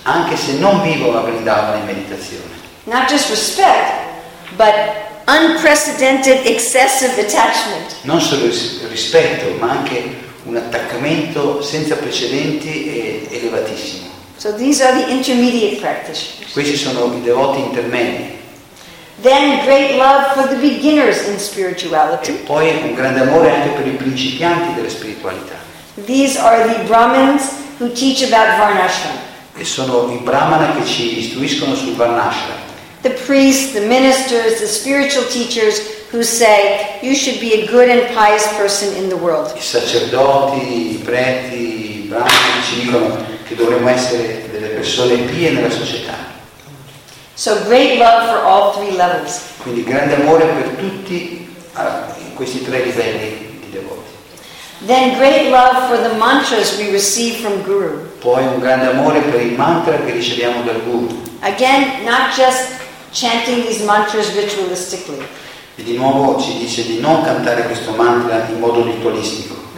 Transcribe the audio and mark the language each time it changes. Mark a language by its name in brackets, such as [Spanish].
[Italian] Anche se non vivono a Vrindavan in meditazione. [English] Not just respect, but unprecedented excessive attachment. [Italian] Non solo rispetto, ma anche un attaccamento senza precedenti e elevatissimo. [English] So these are the intermediate practitioners. [Italian] Questi sono i devoti intermedi. [English] Then great love for the beginners in spirituality. [Italian] E poi un grande amore anche per i principianti della spiritualità. [English] These are the Brahmins who teach about Varnashram. [Italian] E sono i Brahmana che ci istruiscono sul Varnashram. [English] The priests, the ministers, the spiritual teachers who say you should be a good and pious person in the world. [Italian] I sacerdoti, i preti, i Brahmani ci dicono che dovremmo essere delle persone pie nella società. [English] So great love for all three levels. [Italian] Quindi grande amore per tutti questi tre livelli di devoti. [English] Then great love for the mantras we receive from Guru. [Italian] Poi un grande amore per il mantra che riceviamo dal Guru. [English] Again, not just chanting these mantras ritualistically. [Italian] E di nuovo ci dice di non cantare questo mantra in modo ritualistico.